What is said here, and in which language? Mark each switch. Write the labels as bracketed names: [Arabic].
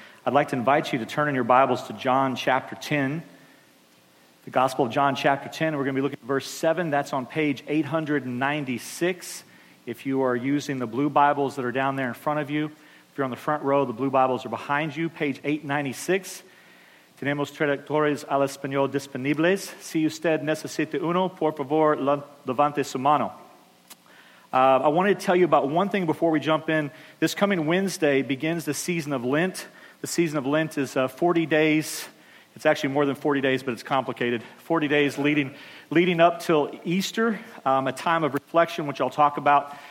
[English] I'd like to invite you to turn in your Bibles to John chapter 10, the Gospel of John chapter 10. We're going to be looking at verse 7. That's on page 896. If you are using the blue Bibles that are down there in front of you, if you're on the front row, the blue Bibles are behind you, page 896. [Spanish] Tenemos traductores al español disponibles. Si usted necesita uno, por favor, levante su mano. [English] I wanted to tell you about one thing before we jump in. This coming Wednesday begins the season of Lent. The season of Lent is 40 days. It's actually more than 40 days, but it's complicated. 40 days leading up till Easter, a time of reflection, which I'll talk about.